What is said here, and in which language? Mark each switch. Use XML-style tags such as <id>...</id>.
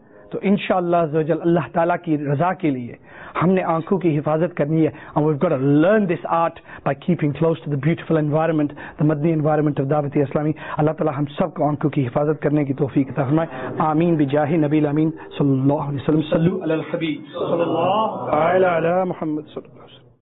<ur>تو انشاءاللہ عزوجل اللہ تعالیٰ کی رضا کے لیے ہم نے آنکھوں کی حفاظت کرنی ہے.</ur> <en>And we've got to learn this art by keeping close to the beautiful environment, the Madani environment of Dawat-e-Islami.</en> <ur>اللہ تعالیٰ ہم سب کو آنکھوں کی حفاظت کرنے کی توفیق عطا فرمائے. آمین</ur> <ar>بجاہ نبی الامین صلی اللہ علیہ وسلم. صلو علی الحبیب صلی اللہ تعالی علی محمد صلی اللہ علیہ وسلم.</ar>